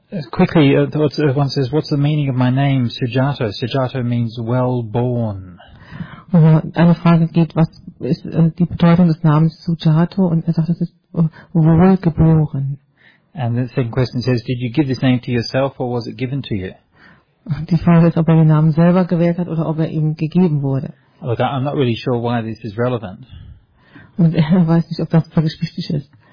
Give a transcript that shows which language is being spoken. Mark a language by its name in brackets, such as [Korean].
[English] Quickly, one says, what's the meaning of my name, Sujato? Sujato means well-born. [German] Eine Frage geht, was ist die Bedeutung des Namens Sujato? Und er sagt, es ist wohlgeboren. [English] And the second question says, did you give this name to yourself or was it given to you? [German] Die Frage ist, ob er den Namen selber gewählt hat oder ob er ihm gegeben wurde. [English] Look, I'm not really sure why this is relevant. [German] Und er weiß nicht, ob das wirklich wichtig ist.